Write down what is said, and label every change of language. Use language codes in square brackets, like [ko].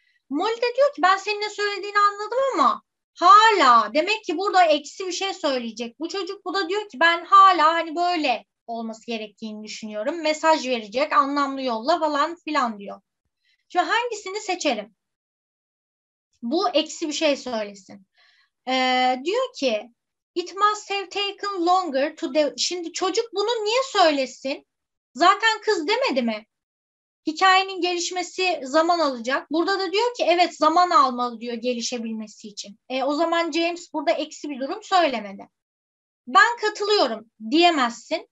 [tr] Molly de diyor ki ben senin ne söylediğini anladım ama hala, demek ki burada eksi bir şey söyleyecek bu çocuk. Bu da diyor ki ben hala hani böyle olması gerektiğini düşünüyorum. Mesaj verecek, anlamlı yolla falan filan diyor. Şimdi hangisini seçelim? Bu eksi bir şey söylesin. Diyor ki [en] it must have taken longer to de-. [tr] Şimdi çocuk bunu niye söylesin? Zaten kız demedi mi? Hikayenin gelişmesi zaman alacak. Burada da diyor ki evet zaman almalı diyor gelişebilmesi için. O zaman James burada eksi bir durum söylemedi. Ben katılıyorum diyemezsin.